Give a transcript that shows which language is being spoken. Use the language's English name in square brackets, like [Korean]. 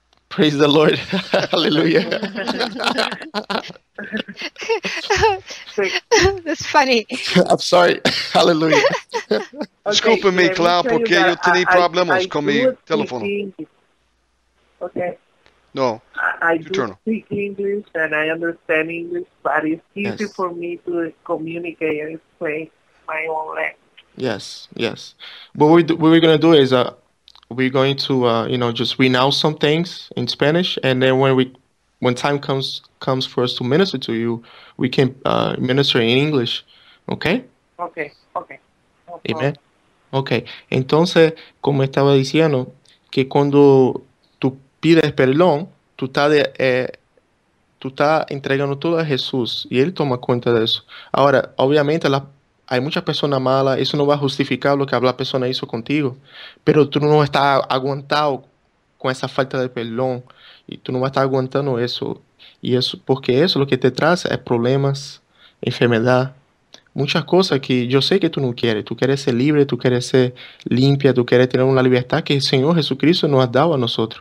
[English] Praise the Lord. Hallelujah. That's funny. I'm sorry. Hallelujah. [Spanish] Okay, disculpe me, Clau, porque yo tenía problemas con mi teléfono. [English] Okay. No. I do turn. Speak English and I understand English, but it's easy for me to communicate and explain my own language. Yes, yes. But what we're going to do is... We're going to, you know, just renounce some things in Spanish. And then when time comes for us to minister to you, we can minister in English. Okay? Okay. Amen. Okay. [Spanish] Entonces, como estaba diciendo, que cuando tú pides perdón, tú estás entregando todo a Jesús. Y Él toma cuenta de eso. Ahora, obviamente, hay muchas personas malas, eso no va a justificar lo que la persona hizo contigo, pero tú no estás aguantado [Portuguese] com essa falta de perdão e tu não vai estar aguentando isso. E isso, porque isso o que te traz é problemas, enfermidade, muita coisa que eu sei que tu não queres. Tu queres ser livre, tu queres ser limpa, tu queres ter uma liberdade que o Senhor Jesus Cristo nos deu a nós.